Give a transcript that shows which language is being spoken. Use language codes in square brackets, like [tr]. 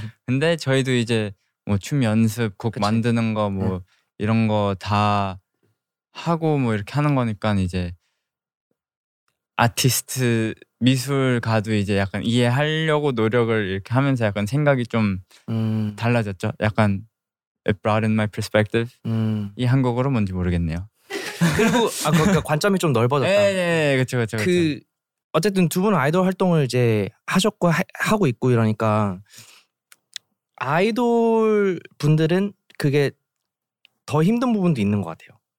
[ko] 근데 저희도 이제 뭐 춤 연습, 곡 그치. 만드는 거 뭐 이런 거 다 하고 뭐 이렇게 하는 거니까 이제 아티스트 미술가도 이제 약간 이해하려고 노력을 이렇게 하면서 약간 생각이 좀 달라졌죠. [en] 약간 it broadened my perspective. [ko] 이 한국어로 뭔지 모르겠네요. 그리고 그러니까 관점이 좀 넓어졌다. 예, 예, 그렇죠, 그렇죠. 그 어쨌든 두 분은 아이돌 활동을 이제 하셨고 하고 있고 이러니까 아이돌 분들은 그게 더 힘든 부분도 있는 것 같아요.